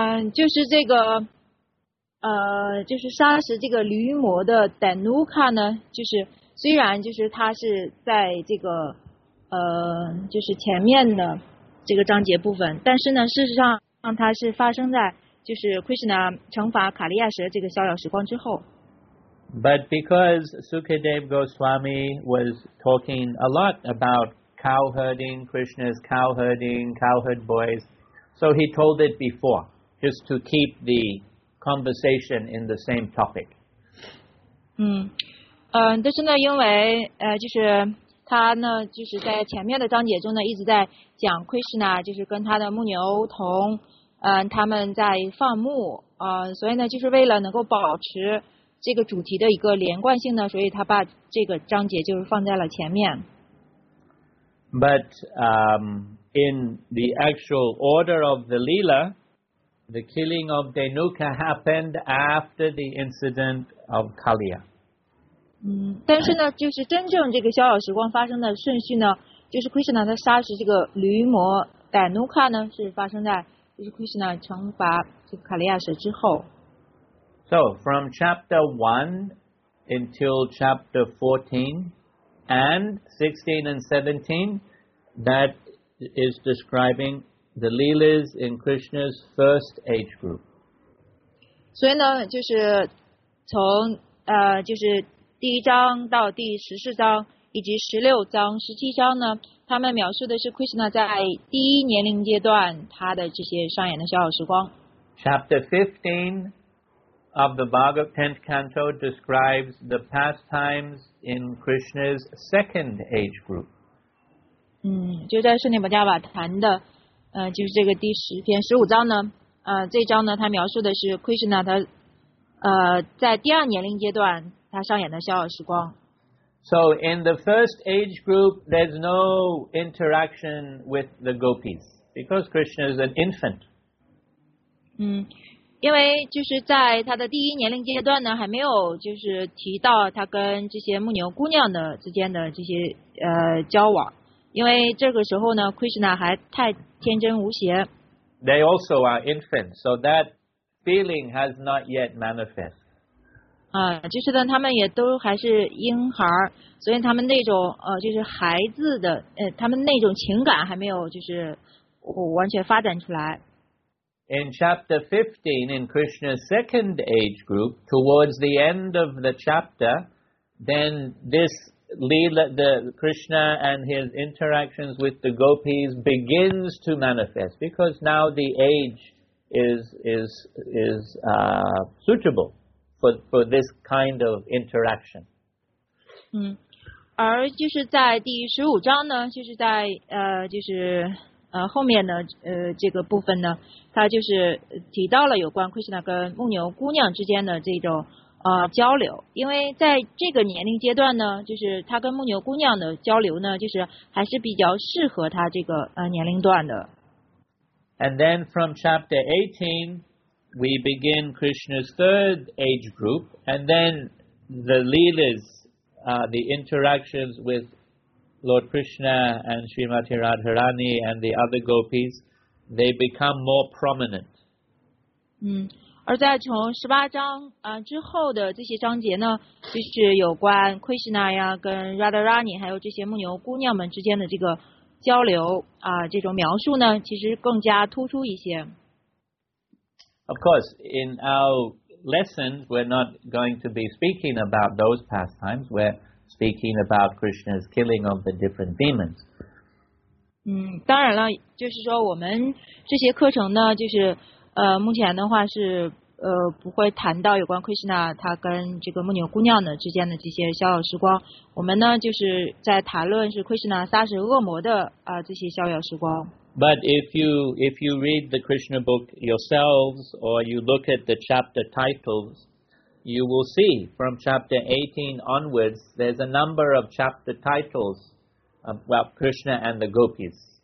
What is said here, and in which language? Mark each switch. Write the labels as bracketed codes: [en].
[zh] 就是这个就是杀死这个驴魔的 Dainuka 呢，就是虽然就是他是在这个就是前面的这个章节部分，但是呢事实上他是发生在就是 Krishna 惩罚卡利亚蛇这个逍遥时光之后。 [en] But because Sukadev Goswami was talking a lot about cowherding, Krishna's cowherding, cowherd boys, so he told it before, just to keep the conversation in the same topic. [zh] 但是呢，因为就是他呢，就是在前面的章节中呢，一直在讲 Krishna 就是跟他的牧牛童。他们在放牧，所以呢，就是为了能够保持这个主题的一个连贯性呢，所以他把这个章节就是放在了前面。 [en] But in the actual order of the Leela, the killing of Dainuka happened after the incident of Kaliya. [zh] 但是呢，就是真正这个逍遥时光发生的顺序呢，就是 Krishna 他杀死这个驴魔 Dainuka 呢，是发生在。就是 Krishna 惩罚卡利亚蛇之后。 [en] So from chapter 1 until chapter 14 and 16 and 17, that is describing the Leelas in Krishna's first age group. [zh] 所以呢，就是从就是第一章到第十四章以及十六章、十七章呢，他们描述的是 Krishna 在第一年龄阶段他的这些上演的逍遥时光。 [en] Chapter 15 of the Bhagavad 10th Canto describes the pastimes in Krishna's second age group. [zh] 就在圣涅巴加瓦坛的，就是这个第十篇十五章呢，这章呢，他描述的是 Krishna 他在第二年龄阶段他上演的逍遥时光。 [en] So in the first age group, there's no interaction with the gopis because Krishna is an infant. [zh] 因为就是在他的第一年龄阶段呢，还没有就是提到他跟这些牧牛姑娘的之间的这些交往，因为这个时候呢 ，Krishna 还太天真无邪。 [en] They also are infants, so that feeling has not yet manifest. [zh] 就是呢，他们也都还是婴孩，所以他们那种就是孩子的他们那种情感还没有就是完全发展出来。 [en] In chapter 15, in Krishna's second age group, towards the end of the chapter, then this Leela, the Krishna and his interactions with the gopis begins to manifest because now the age is suitable. For this kind of interaction. [zh] 而就是在第十五章呢，就是在就是后面呢这个部分呢，他就是提到了有关 Krishna 跟牧牛姑娘之间的这种交流，因为在这个年龄阶段呢，就是他跟牧牛姑娘的交流呢，就是还是比较适合他这个年龄段的。 [en] And then from chapter 18. We begin Krishna's third age group, and then the Leelas, the interactions with Lord Krishna and Srimati Radharani and the other gopis, they become more prominent. [zh] 而在从十八章之后的这些章节呢，就是有关 Krishna 呀跟 Radharani 还有这些牧牛姑娘们之间的这个交流这种描述呢，其实更加突出一些。 [en] Of course, in our lessons, we're not going to be speaking about those pastimes. We're speaking about Krishna's killing of the different demons. [zh] 当然了，就是说我们这些课程呢，就是目前的话是不会谈到有关 Krishna 他跟这个牧牛姑娘的之间的这些逍遥时光，我们呢就是在谈论是 Krishna 杀死恶魔的这些逍遥时光。 [en] But if you read the Krishna book yourselves or you look at the chapter titles, you will see from chapter 18 onwards there's a number of chapter titles about Krishna and the gopis.